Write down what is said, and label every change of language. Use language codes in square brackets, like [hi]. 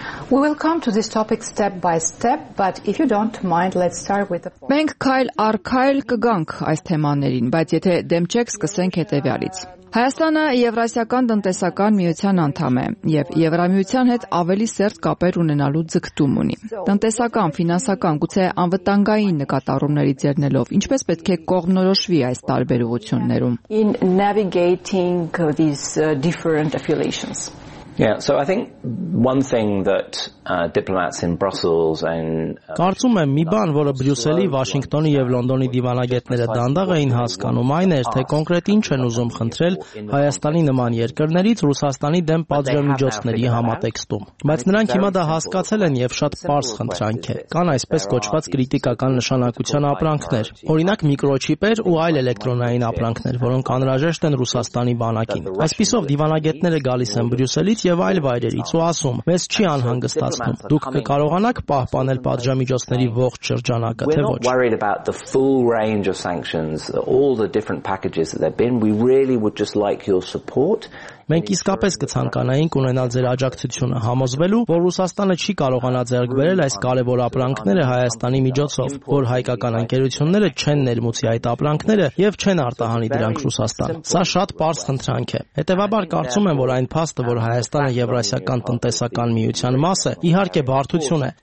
[en] We will come to this topic step by step, but if you don't mind, let's start with the four. [hy] Մենք քայլ առ քայլ կգանք այս թեմաներին, բայց եթե դեմ չեք, սկսենք հետեւյալից։ Հայաստանը Եվրասիական տնտեսական միության անդամ է եւ Եվրամիության հետ ավելի սերտ կապեր ունենալու ձգտում ունի։ Տնտեսական, ֆինանսական, գուցե անվտանգային նկատառումների ձեռնելով ինչպես պետք է կողմնորոշվի այս տարբերություններում։ [en] In navigating these different affiliations. Yeah, so I think one thing that diplomats in Brussels and [hy] Կարծում եմ մի բան, որը Բրյուսելի, Վաշինգտոնի եւ Լոնդոնի դիվանագետները դանդաղ էին հասկանում, այն էր, թե կոնկրետ ինչ են ուզում խնդրել Հայաստանի նման երկրներից Ռուսաստանի դեմ պատժամիջոցների համատեքստում։ Բայց նրանք հիմա դա հասկացել են եւ շատ պարզ խնդրանք է։ Կան այսպես կոչված կրիտիկական նշանակության ապրանքներ, օրինակ միկրոչիպեր ու այլ էլեկտրոնային ապրանքներ, որոնք անհրաժեշտ են Ռուսաստանի բանակին։ Այսպիսով դիվանագետները գալիս են Բրյուսելից եւ այլ վայրերից ու ասում. «Մեզ չի անհանգստացնում»։ Դուք կարողանաք պահպանել պատժամիջոցների ողջ շրջանակը, թե ոչ։ [en] We're worried about the full range of sanctions, all the different packages that they've been. We really would just like your support. [hy] Մենք իսկապես կցանկանայինք ունենալ ձեր աջակցությունը, համոզվելու, որ Ռուսաստանը չի կարողանա ձեռք բերել այս կարևոր ապրանքները Հայաստանի միջոցով, որ հայկական ընկերությունները չեն ներմուծի այդ ապրանքները եւ չեն արտահանի դրանք Ռուսաստան։ Սա շատ պարզ խնդրանք է։ Հետևաբար կարծում եմ, որ այն փաստը, որ Հայաստանը Եվրասիական տնտեսական միության մաս է, իհարկե բարդություն է,